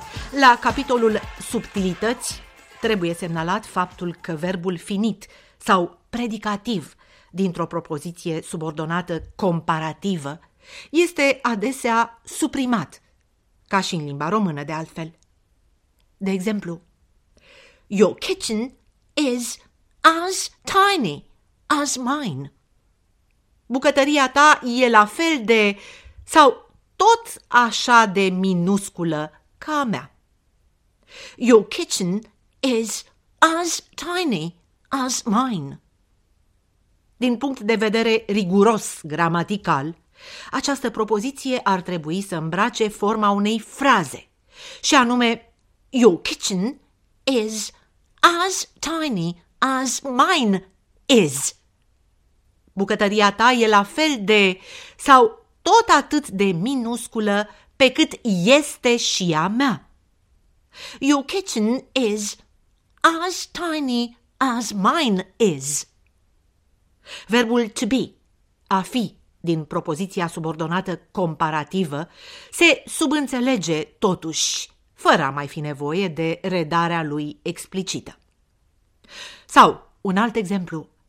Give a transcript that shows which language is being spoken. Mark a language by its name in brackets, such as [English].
[Romanian] la capitolul subtilități, trebuie semnalat faptul că verbul finit sau predicativ dintr-o propoziție subordonată comparativă este adesea suprimat, ca și în limba română de altfel. De exemplu, [English] Your kitchen is as tiny as mine. [Romanian] Bucătăria ta e la fel de sau tot așa de minusculă ca a mea. [English] Your kitchen is as tiny as mine. [Romanian] Din punct de vedere riguros gramatical, această propoziție ar trebui să îmbrace forma unei fraze, și anume, [English] Your kitchen is as tiny as mine is. [Romanian] Bucătăria ta e la fel de sau tot atât de minusculă pe cât este și a mea. [English] Your kitchen is as tiny as mine is. [Romanian] Verbul to be, a fi, din propoziția subordonată comparativă, se subînțelege totuși, fără a mai fi nevoie de redarea lui explicită. Sau, un alt exemplu.